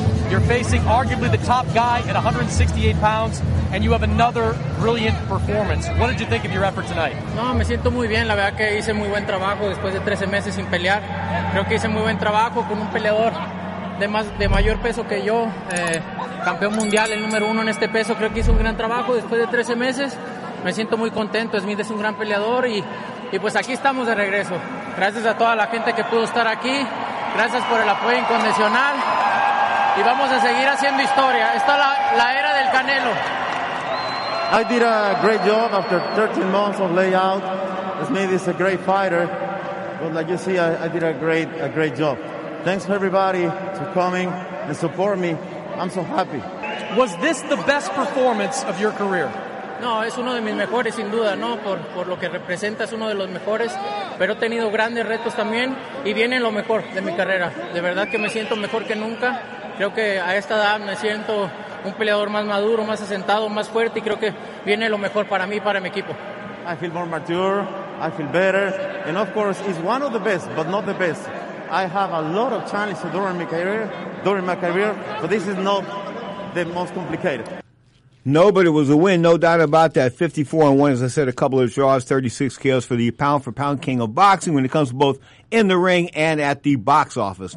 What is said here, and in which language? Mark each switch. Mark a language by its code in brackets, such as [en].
[en] You're facing arguably the top guy at 168 pounds, and you have another brilliant performance. What did you think of your effort tonight? [es] No, me siento muy bien. La verdad que hice muy buen trabajo después de 13 meses sin pelear. Creo que hice muy buen trabajo con un peleador de mayor peso que yo, campeón mundial, el número uno en este peso. Creo que hice un gran trabajo después de 13 meses. Me siento muy contento. Smith es un gran peleador y pues aquí estamos de regreso. Gracias a toda la gente que pudo estar aquí. Gracias por el apoyo incondicional. Y vamos a seguir haciendo historia. Esta es la era del Canelo. [en] I did a great job after 13 months of layout. Smith is a great fighter. But like you see, I did a great job. Thanks for everybody for coming and support me. I'm so happy. [es] Was this the best performance of your career? No, es uno de mis mejores, sin duda, ¿no? Por lo que representa, es uno de los mejores. Pero he tenido grandes retos también. Y viene lo mejor de mi carrera. De verdad que me siento mejor que nunca. Creo que a esta edad me siento un peleador más maduro, más asentado, más fuerte, y creo que viene lo mejor para mí, para mi equipo. [en] I feel more mature, I feel better, and of course, it's one of the best, but not the best. I have a lot of challenges during my career, but this is not the most complicated. No, but it was a win, no doubt about that. 54-1, as I said, a couple of draws, 36 KOs for the pound-for-pound king of boxing when it comes to both in the ring and at the box office.